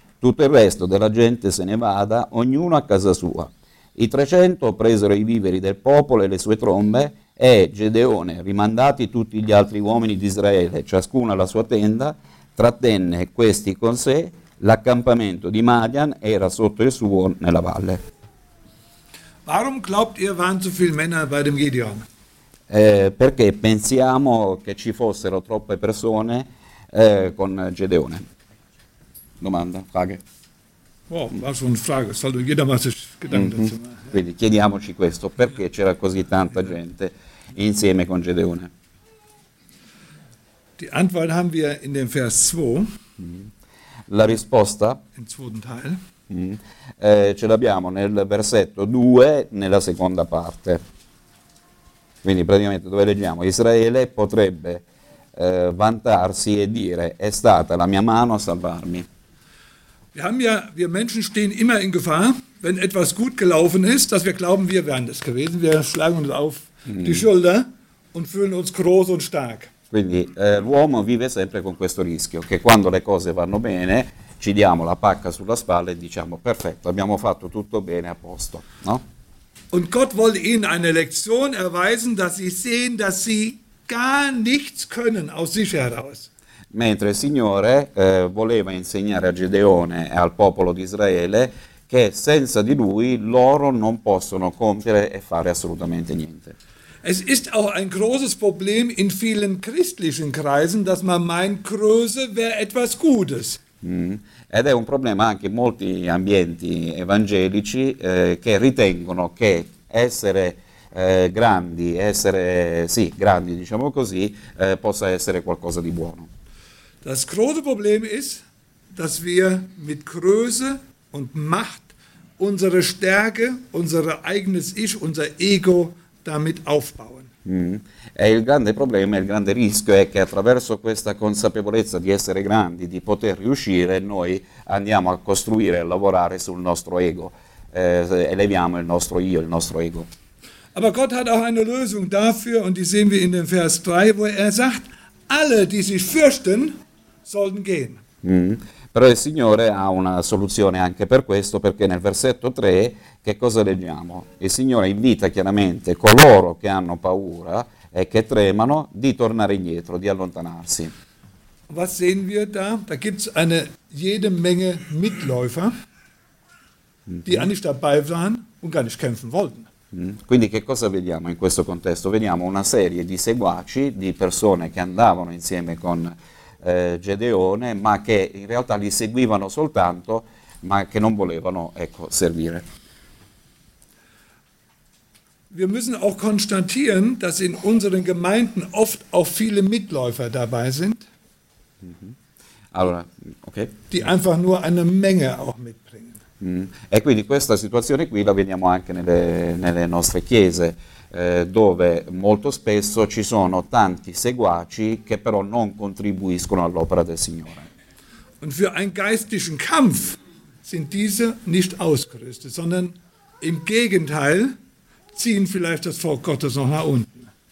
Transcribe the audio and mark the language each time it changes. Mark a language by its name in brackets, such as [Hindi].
[Italian] Tutto il resto della gente se ne vada, ognuno a casa sua. I 300 presero i viveri del popolo e le sue trombe, e Gedeone, rimandati tutti gli altri uomini di Israele, ciascuno alla sua tenda, trattenne questi con sé. L'accampamento di Madian era sotto il suo nella valle. [German] Warum glaubt ihr, waren so viele Männer bei dem Gideon? [Italian] Perché pensiamo che ci fossero troppe persone con Gedeone? Domanda, [German] frage. Oh, was für eine Frage, sollte jeder mal sich Gedanken dazu machen. [Italian] Quindi chiediamoci questo, perché c'era così tanta gente insieme con Gedeone? [German] Die Antwort haben wir in dem Vers 2. [Italian] La risposta, [German] im zweiten Teil, [Italian] ce l'abbiamo nel versetto 2, nella seconda parte. Quindi praticamente dove leggiamo: Israele potrebbe vantarsi e dire: è stata la mia mano a salvarmi. [German] Wir haben ja, wir Menschen stehen immer in Gefahr, wenn etwas gut gelaufen ist, dass wir glauben, wir wären das gewesen. Wir schlagen uns auf die Schulter und fühlen uns groß und stark. [Italian] Quindi l'uomo vive sempre con questo rischio, che quando le cose vanno bene ci diamo la pacca sulla spalla e diciamo: perfetto, abbiamo fatto tutto bene, a posto, no? [German] Und Gott wollte ihnen eine Lektion erweisen, dass sie sehen, dass sie gar nichts können aus sich heraus. [Italian] Mentre il Signore voleva insegnare a Gedeone e al popolo di Israele che senza di lui loro non possono compiere e fare assolutamente niente. [German] Es ist auch ein großes Problem in vielen christlichen Kreisen, dass man meint, Größe wäre etwas Gutes. [Italian] Ed è un problema anche in molti ambienti evangelici che ritengono che essere grandi, essere sì, grandi, diciamo così, possa essere qualcosa di buono. [German] Das große Problem ist, dass wir mit Größe und Macht unsere Stärke, unser eigenes Ich, unser Ego damit aufbauen. [Italian] E il grande problema, il grande rischio è che attraverso questa consapevolezza di essere grandi, di poter riuscire, noi andiamo a costruire e lavorare sul nostro ego, eleviamo il nostro io, il nostro ego. [German] Aber Gott hat auch eine Lösung dafür und die sehen wir in dem Vers 3, wo er sagt: alle die sich fürchten sollten gehen. [Italian] Però il Signore ha una soluzione anche per questo, perché nel versetto 3 che cosa leggiamo? Il Signore invita chiaramente coloro che hanno paura e che tremano di tornare indietro, di allontanarsi. [German] Was sehen wir da? Da gibt's eine jede Menge Mitläufer, die eigentlich dabei waren und gar nicht kämpfen wollten. [Italian] Quindi che cosa vediamo in questo contesto? Vediamo una serie di seguaci, di persone che andavano insieme con Gedeone, ma che in realtà li seguivano soltanto, ma che non volevano, ecco, servire. [German] Wir müssen auch konstatieren, dass in unseren Gemeinden oft auch viele Mitläufer dabei sind. [Italian] Allora, okay. [German] Die einfach nur eine Menge auch mitbringen. [Italian] E quindi questa situazione qui la vediamo anche nelle nostre chiese, dove molto spesso ci sono tanti seguaci che però non contribuiscono all'opera del Signore. [German] Und für einen geistlichen Kampf sind diese nicht ausgerüstet, sondern im Gegenteil ziehen vielleicht das Volk Gottes noch nach unten.